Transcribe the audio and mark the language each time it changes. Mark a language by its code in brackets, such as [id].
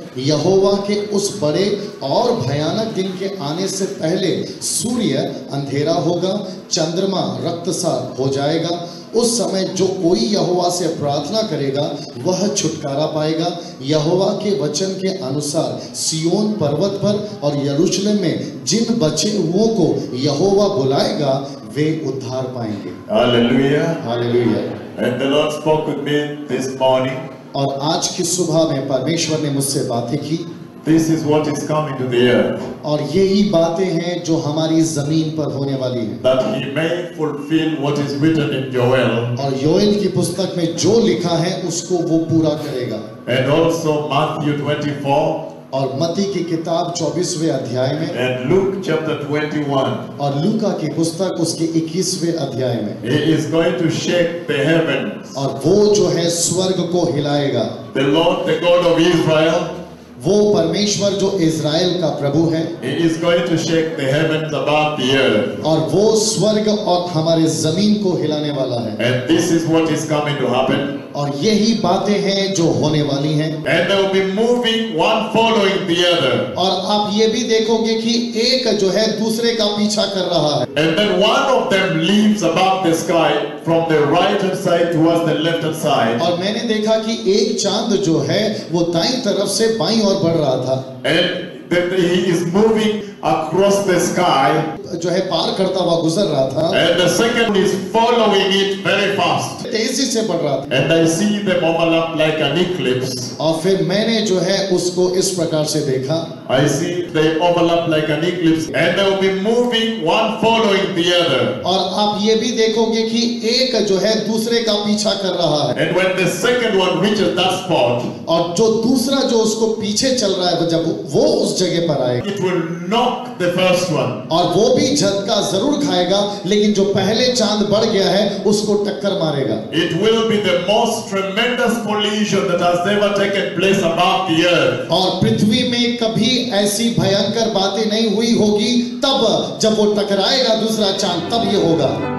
[hi] यहोवा के उस बड़े और भयानक दिन के आने से पहले सूर्य अंधेरा होगा, चंद्रमा रक्त सा हो जाएगा. उस समय जो कोई यहोवा से प्रार्थना करेगा वह छुटकारा पाएगा. यहोवा के वचन के अनुसार सियोन पर्वत पर और यरूशलेम में जिन बचे हुओं को यहोवा बुलाएगा वे उद्धार पाएंगे. Hallelujah, hallelujah. [en] And the Lord spoke with me this morning. [hi] और आज की सुबह में परमेश्वर ने मुझसे बातें की. [en] This is what is coming to the earth. [hi] और यही बातें हैं जो हमारी ज़मीन पर होने वाली हैं. [en] That he may fulfill what is written in Joel. [hi] और योएल की पुस्तक में जो लिखा है उसको वो पूरा करेगा. [en] And also Matthew 24. [hi] और मत्ती की किताब 24वें अध्याय में. [en] And Luke chapter 21. [hi] और लूका की पुस्तक उसके 21वें अध्याय में. [en] He is going to shake the heavens. [hi] और वो जो है स्वर्ग को हिलाएगा. [en] The Lord, the God of Israel. [hi] वो परमेश्वर जो इज़राइल का प्रभु है. [en] He is going to shake the heavens above the earth. [hi] और वो स्वर्ग और हमारे ज़मीन को हिलाने वाला है. [en] And this is what is coming to happen. [hi] और यही बातें हैं जो होने वाली हैं. [en] And they will be moving one following the other. [hi] और आप ये भी देखोगे कि एक जो है दूसरे का पीछा कर रहा है. [en] And then one of them leaps above the sky from the right hand side towards the left hand side. [hi] और मैंने देखा कि एक चांद जो है वो दाईं तरफ से बाईं ओर बढ़ रहा था. [en] And then he is moving across the sky. [hi] जो है पार करता हुआ गुजर रहा था. [en] And the second is following it very fast. [hi] तेजी से बढ़ रहा था. [en] And I see the bubble up like an eclipse. [hi] और फिर मैंने जो है उसको इस प्रकार से देखा. [en] I see the bubble up like an eclipse. And they will be moving one following the other. [hi] और आप ये भी देखोगे कि एक जो है दूसरे का पीछा कर रहा है. [en] And when the second one reaches that spot. [hi] और जो दूसरा जो उसको पीछे चल रहा है तो जब वो उस जगह पर आए. [en] It will knock the first one. [hi] और वो भी झटका जरूर खाएगा लेकिन जो पहले चांद बढ़ गया है उसको टक्कर मारेगा. [en] It will be the most tremendous collision that has ever taken place above the earth. [hi] और पृथ्वी में कभी ऐसी भयंकर बातें नहीं हुई होगी तब जब वो टकराएगा दूसरा चांद तब ये होगा.